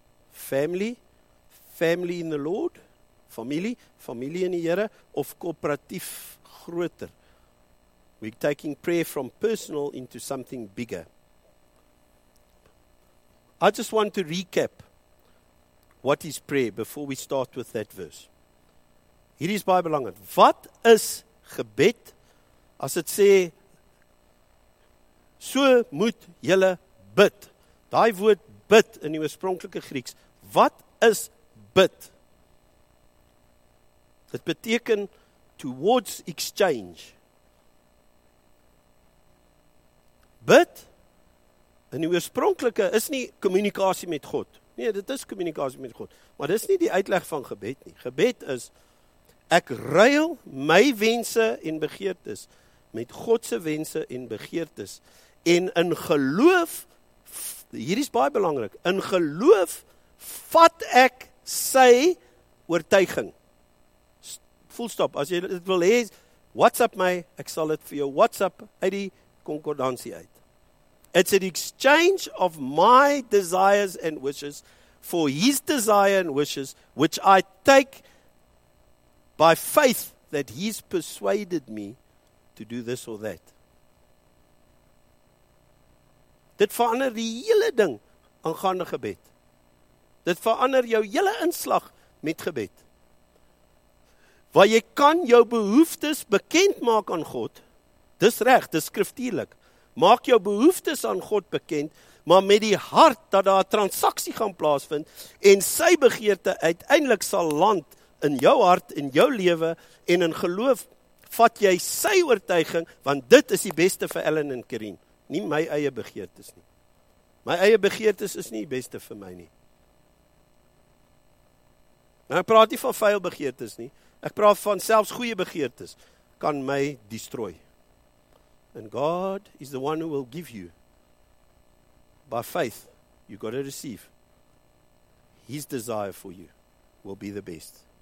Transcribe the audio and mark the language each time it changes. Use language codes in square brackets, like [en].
[en] Family, family in the Lord, [af] familie, familie in die Here, of korporatief groter. [en] We're taking prayer from personal into something bigger. I just want to recap what is prayer before we start with that verse. [af] Hier is baie belangrik. Wat is gebed? As het sê, so moet julle bid. Daai woord bid in die oorspronklike Grieks. Wat is bid? Dit beteken [en] towards exchange. [af] Bid in die oorspronklike is nie kommunikasie met God. Nee, dit is kommunikasie met God. Maar dit is nie die uitleg van gebed nie. Gebed is, ek ruil my wense en begeertes met Godse wense en begeertes. En in geloof, hier is baie belangrik, in geloof vat ek sy oortuiging. [en] Full stop, [af] as jy dit wil hê, WhatsApp my, ek sal dit vir jou WhatsApp uit die konkordansie uit. [en] It's an exchange of my desires and wishes for his desire and wishes, which I take by faith that he's persuaded me to do this or that. [af] Dit verander die hele ding aangaande gebed. Dit verander jou hele inslag met gebed. Waar jy kan jou behoeftes bekend maak aan God, dis reg, dis skriftuurlik. Maak jou behoeftes aan God bekend, maar met die hart dat daar 'n transaksie gaan plaasvind en sy begeerte uiteindelik sal land in jou hart, in jou lewe, en in geloof vat jy sy oortuiging, want dit is die beste vir Ellen en Karen, nie my eie begeertes nie. My eie begeertes is nie die beste vir my nie. Nou, ek praat nie van vuil begeertes nie, ek praat van selfs goeie begeertes, kan my destrooi. [en] And God is the one who will give you, by faith, you got to receive. His desire for you will be the best.